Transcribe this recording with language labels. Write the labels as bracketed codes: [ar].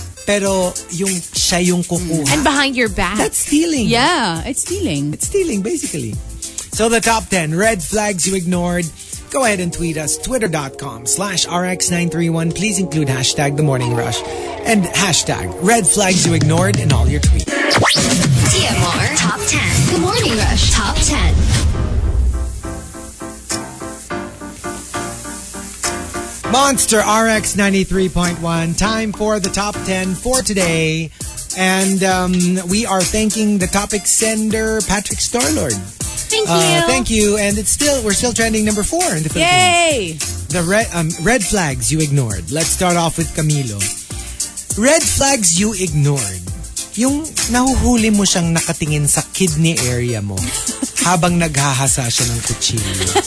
[tl] Pero, yung siya yung kukuha. [en] And behind your back. That's stealing. Yeah, it's stealing. It's stealing, basically. So, the top 10 red flags you ignored. Go ahead and tweet us, twitter.com/rx931. Please include hashtag the morning rush and hashtag red flags you ignored in all your tweets. TMR top 10. The morning rush top 10. Monster RX 93.1, time for the top 10 for today. And we are thanking the topic sender, Patrick Starlord. Thank you. Thank you. And it's still, we're still trending number 4 in the Philippines. Yay! The red flags you ignored. Let's start off with Camilo. Red flags you ignored. [tl] Yung nahuhuli mo siyang nakatingin sa kidney area mo habang naghahasa siya ng kutsilyo.